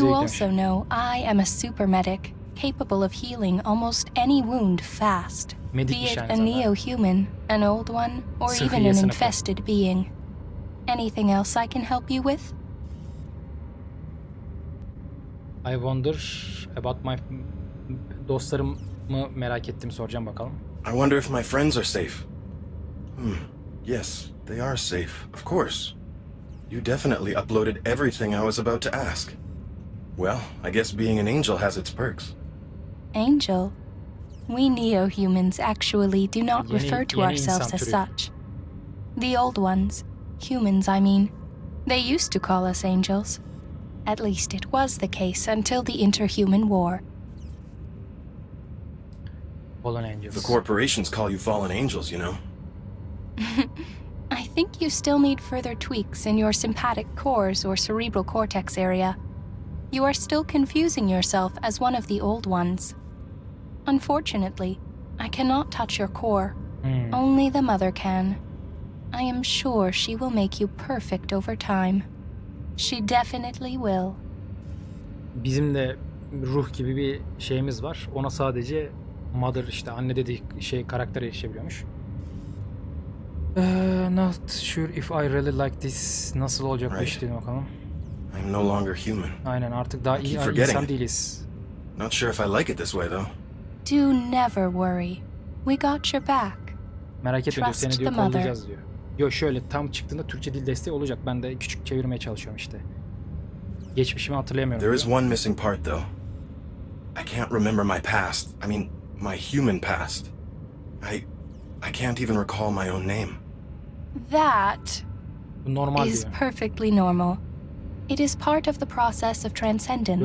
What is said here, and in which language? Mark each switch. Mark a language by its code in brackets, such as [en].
[en] You also know I am a super medic. Capable of healing almost any wound fast. [tr] Medikmiş, [en] be it a neo-human, an old one, or [tr] sıhhiye [en] even an infested being. Anything else I can help you with? I wonder about my [tr] dostlarımı merak ettim, soracağım bakalım. [en] I wonder if my friends are safe. Yes, they are safe, of course. You definitely uploaded everything I was about to ask. Well, I guess being an angel has its perks. Angel, we neo-humans actually do not refer to ourselves as such. The old ones, humans I mean, they used to call us angels. At least it was the case until the Interhuman War. Fallen angels. The corporations call you fallen angels, you know. I think you still need further tweaks in your sympathetic cores or cerebral cortex area. You are still confusing yourself as one of the old ones. Unfortunately, I cannot touch your core. Only the mother can. I am sure she will make you perfect over time. She definitely will. [tr] Bizim de ruh gibi bir şeyimiz var. Ona sadece mother, işte anne dediği şey, karakter erişebiliyormuş. [en] Not sure if I really like this. [tr] Nasıl olacak bu işte bakalım. [en] I'm no longer human. [tr] Aynen, artık daha iyi insan değiliz. [en] Not sure if I like it this way though. Do never worry. We got your back. [tr] Merak etme, diyor, seni diyor kollayacağız diyor. Yo, şöyle tam çıktığında Türkçe dil desteği olacak. Ben de küçük çevirmeye çalışıyorum işte. Geçmişimi hatırlayamıyorum. [en] There is one missing part though. I can't remember my past. I mean, my human past. I can't even recall my own name. That normal is perfectly normal. It is part of the process of transcendence.